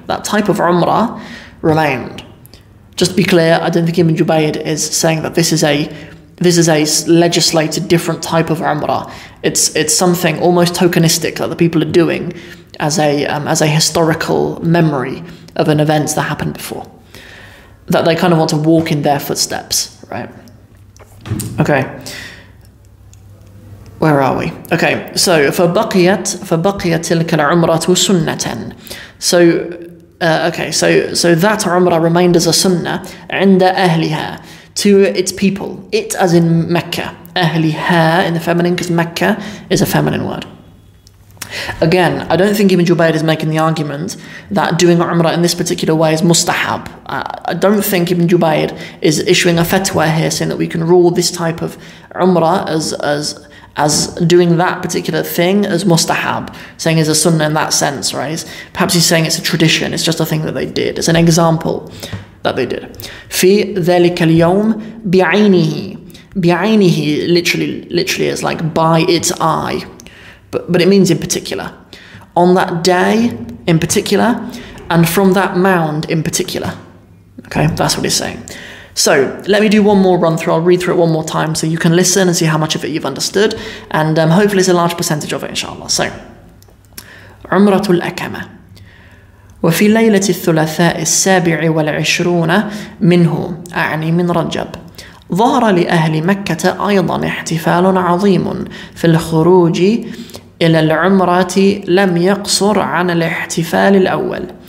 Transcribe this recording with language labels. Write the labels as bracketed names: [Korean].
[English] That type of Umrah remained. Just to be clear, I don't think Ibn Jubayr is saying that this is a legislated different type of Umrah. It's something almost tokenistic that the people are doing as a historical memory of an event that happened before. That they kind of want to walk in their footsteps, right? Okay. Where are we? Okay, so [Arabic] فَبَقِيَتْ تِلْكَ الْعُمْرَةُ سُنَّةً. [English] So that Umrah remained as a sunnah [Arabic] عند أهلها, [English] to its people. It as in Mecca. أهلها in the feminine, because Mecca is a feminine word. Again, I don't think Ibn Jubayr is making the argument that doing Umrah in this particular way is mustahab. I don't think Ibn Jubayr is issuing a fatwa here saying that we can rule this type of Umrah as doing that particular thing as mustahab, saying it's a sunnah in that sense, right? Perhaps he's saying it's a tradition, it's just a thing that they did. It's an example that they did. [Arabic] في ذلك اليوم بعينه. [English] بعينه literally is like by its eye, but it means in particular. On that day in particular, and from that mound in particular. Okay, that's what he's saying. So let me do one more run through. I'll read through it one more time so you can listen and see how much of it you've understood. And hopefully it's a large percentage of it, inshallah. So, Umratul Akama. [Arabic] وفي ليلة الثلاثاء السابع والعشرون منه أعني من رجب ظهر لأهل مكة أيضا احتفال عظيم في الخروج إلى العمرة لم يقصر عن الاحتفال الأول